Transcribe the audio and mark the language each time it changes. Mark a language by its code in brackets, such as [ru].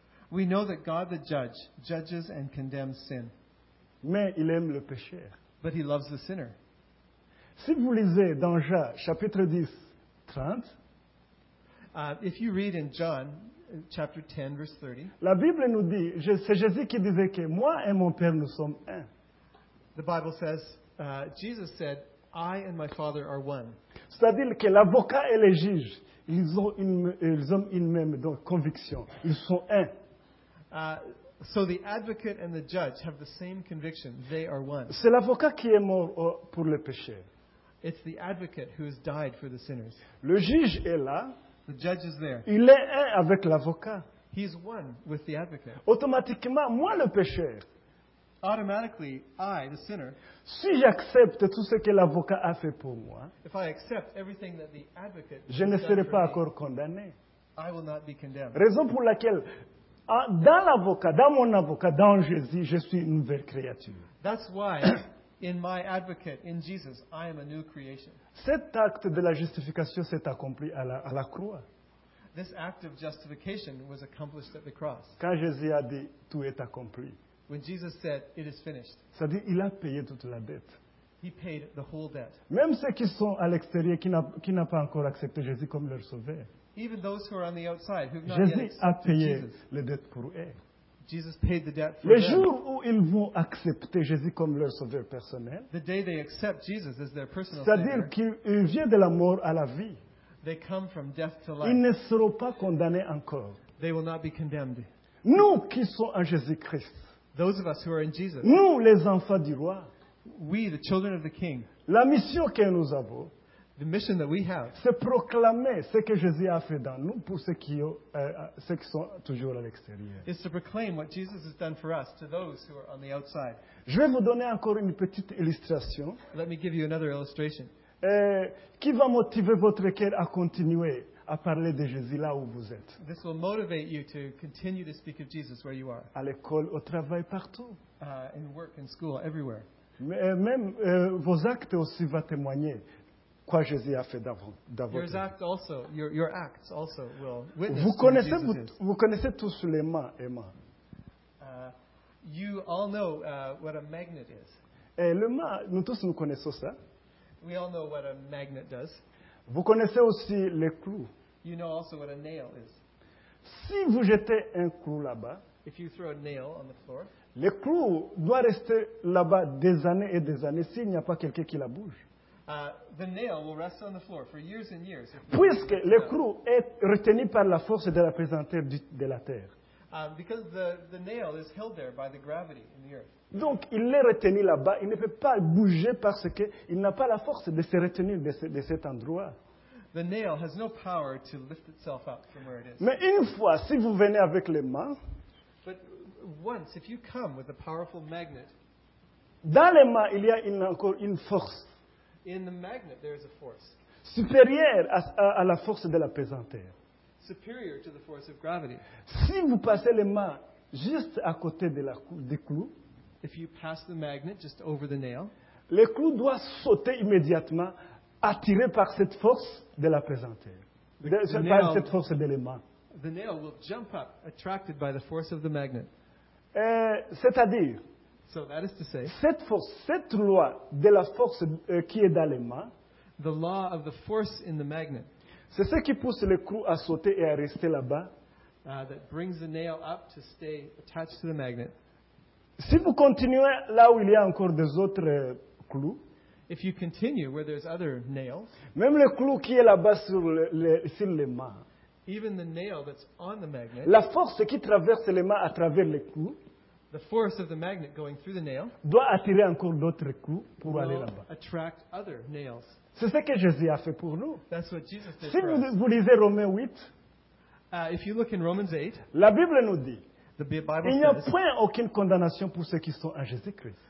[en] We know that God the judge judges and condemns sin. [fr] Mais il aime le péché. [en] But he loves the sinner. [fr] Si vous lisez dans Jean chapitre 10, 30. [en] If you read in John chapter 10 verse 30, [fr] la Bible nous dit, c'est Jésus qui disait que moi et mon Père nous sommes un. [en] The Bible says, Jesus said, I and my Father are one. [fr] C'est-à-dire que l'avocat et le juge, ils ont une même donc, conviction. Ils sont un. [en] So the advocate and the judge have the same conviction. They are one. [fr] C'est l'avocat qui est mort pour le péché. [en] It's the advocate who has died for the sinners. [fr] Le juge est là. [en] The judge is there. [fr] Il est un avec l'avocat. [en] He's one with the advocate. [fr] Automatiquement, moi le pécheur. [en] Automatically, I, the sinner. [fr] Si j'accepte tout ce que l'avocat a fait pour moi. [en] If I accept everything that the advocate [fr] je ne serai pas encore condamné. [en] I will not be condemned. [fr] Raison pour laquelle, dans l'avocat, dans mon avocat, dans Jésus, je suis une nouvelle créature. [en] That's why, In my advocate, in Jesus, I am a new creation. [fr] Cet acte de la justification s'est accompli à la croix. [en] This act of justification was accomplished at the cross. [fr] Quand Jésus a dit, tout est accompli. [en] When Jesus said, it is finished. [fr] C'est-à-dire, il a payé toute la dette. [en] He paid the whole debt. [fr] Même ceux qui sont à l'extérieur, qui n'ont pas encore accepté Jésus comme leur sauveur. [en] Even those who are on the outside, who have not [fr] Jésus [en] yet accepted [fr] a payé [en] Jesus. [fr] Les dettes pour eux. [en] Jesus paid the debt for [fr] Le [en] them. [fr] Jour où ils vont accepter Jésus comme leur sauveur personnel, [en] the day they accept Jesus as their personal [fr] c'est-à-dire [en] savior, [fr] qu'ils viennent de la mort à la vie, [en] they come from death to life. [fr] Ils ne seront pas condamnés encore. [en] They will not be condemned. [fr] Nous qui sommes en Jésus-Christ, [en] those of us who are in Jesus, [fr] nous les enfants du roi, [en] we, the children of the king, [fr] la mission que nous avons, [en] the mission that we have, [fr] c'est proclamer ce que Jésus a fait dans nous pour ceux qui sont toujours à l'extérieur. [en] Is to proclaim what Jesus has done for us to those who are on the outside. [fr] Je vais vous donner encore une petite illustration. [en] Let me give you another illustration. [fr] Qui va motiver votre cœur à continuer à parler de Jésus là où vous êtes? [en] This will motivate you to continue to speak of Jesus where you are. [fr] À l'école, au travail, partout. [en] In work, in school, everywhere. [fr] Même vos actes aussi vont témoigner. Quoi Jésus a fait dans votre vie. [en] Your acts also will witness [fr] vous connaissez, [en] who Jesus is. [fr] Vous connaissez tous les aimants, aimants. [en] You all know what a magnet is. [fr] Et le aimant, nous tous nous connaissons ça. [en] We all know what a magnet does. [fr] Vous connaissez aussi les clous. [en] You know also what a nail is. [fr] Si vous jetez un clou là-bas, [en] if you throw a nail on the floor, [fr] le clou doit rester là-bas des années et des années s'il n'y a pas quelqu'un qui la bouge. [en] The nail will rest on the floor for years and years. [fr] Puisque le clou est retenu par la force de la pesanteur de la terre. [en] Because the nail is held there by the gravity in the earth. [fr] Donc il est retenu là-bas, il ne peut pas bouger parce que il n'a pas la force de se retenir de cet endroit. [en] The nail has no power to lift itself up from where it is. [fr] Mais une fois, si vous venez avec les mains, [en] but once, if you come with a powerful magnet, [fr] dans les mains, il y a encore une force. [en] In the magnet, there is a force. [fr] Supérieure à la force de la pesanteur. [en] Superior to the force of gravity. [fr] Si vous passez les mains juste à côté de la des clous, [en] if you pass the magnet just over the nail, [fr] le clou doit sauter immédiatement, attiré par cette force de la pesanteur. Par cette force de l'aimant. [en] The nail will jump up, attracted by the force of the magnet. [fr] C'est-à-dire. [en] So that is to say, [fr] cette force, cette loi de la force qui est dans les mains, [en] the law of the force in the magnet, [fr] c'est ce qui pousse le clou à sauter et à rester là-bas. [en] That brings the nail up to stay attached to the magnet. [fr] Si vous continuez là où il y a encore des autres clous, [en] if you continue where there's other nails, [fr] même le clou qui est là-bas sur les mains, [en] even the nail that's on the magnet, [fr] la force qui traverse les mains à travers les clous, [en] the force of the magnet going through the nail, [fr] doit attirer encore d'autres clous pour [en] will [fr] aller là-bas. [en] Attract other nails. [fr] C'est ce que Jésus a fait pour nous. [en] That's what Jesus did [fr] si [en] for [fr] vous, [en] us. [fr] Vous lisez Romains 8, [en] if you look in Romans 8, [fr] la Bible nous dit, [en] the Bible [fr] il n'y a point aucune condamnation pour ceux qui sont en Jésus-Christ.